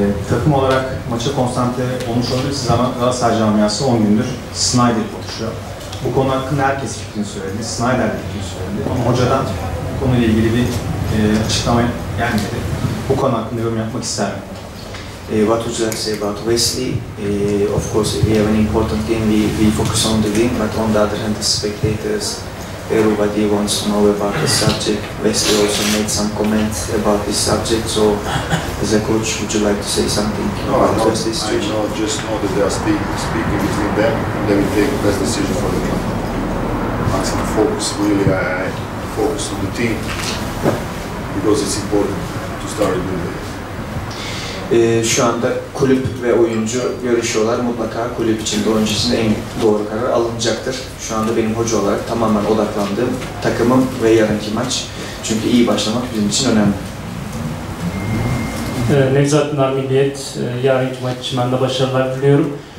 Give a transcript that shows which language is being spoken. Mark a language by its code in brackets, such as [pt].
[tr] Takım olarak maça konsantre olmuş olabilirsiniz ama Galatasaray camiası 10 gündür Snyder konuşuyor. Bu konu hakkında herkes fikrini söyledi, Snyder de fikrini söyledi ama hocadan bu konuyla ilgili bir açıklama gelmedi. Bu konu hakkında yorum yapmak ister miyim? [en] What would you like to say about Wesley? Of course, we have an important game, we focus on the game, but on the other hand, the spectators, everybody wants to know about the subject. Wesley also made some comments about this subject, so as a coach, would you like to say something about Wesley's situation? No, I just know that they are speaking between them, and they will take the best decision for the team. Maximum focus, really, I focus on the team, because it's important to start a new day. [tr] Şu anda kulüp ve oyuncu görüşüyorlar. Mutlaka kulüp için de oyuncu için en doğru karar alınacaktır. Şu anda benim hoca olarak tamamen odaklandığım takımım ve yarınki maç. Çünkü iyi başlamak bizim için önemli. Nevzat Namiliyet, yarınki maç için ben de başarılar diliyorum.